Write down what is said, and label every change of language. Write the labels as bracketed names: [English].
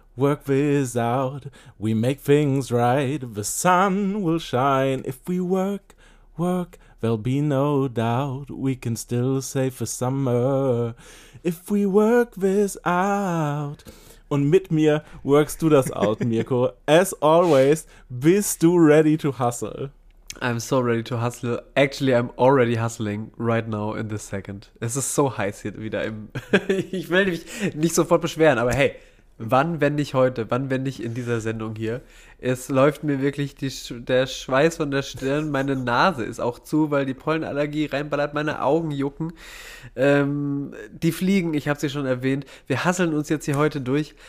[English] Work this out, we make things right, the sun will shine. If we work, work, there'll be no doubt, we can still save the summer. If we work this out. [German] Und mit mir workst du das out, Mirko. [English] As always, [German] bist du [English] ready to hustle? I'm so ready to hustle. Actually, I'm already hustling right now in this second. [German] Es ist so heiß hier wieder im. Ich will mich nicht sofort beschweren, aber hey, wann, wenn nicht heute? Wann, wenn nicht in dieser Sendung hier? Es läuft mir wirklich der Schweiß von der Stirn. Meine Nase ist auch zu, weil die Pollenallergie reinballert. Meine Augen jucken. Die Fliegen, ich habe sie schon erwähnt. Wir hasseln uns jetzt hier heute durch.